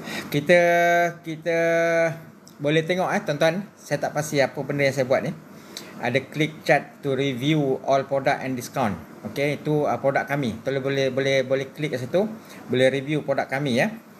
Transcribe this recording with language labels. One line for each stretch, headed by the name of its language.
Malay: Kita boleh tengok tuan-tuan. Saya tak pasti apa benda yang saya buat ni. Ada
English: click chat to review all product and discount.
Malay: Okey, itu produk kami. Tolong boleh klik kat situ, boleh review produk kami ya.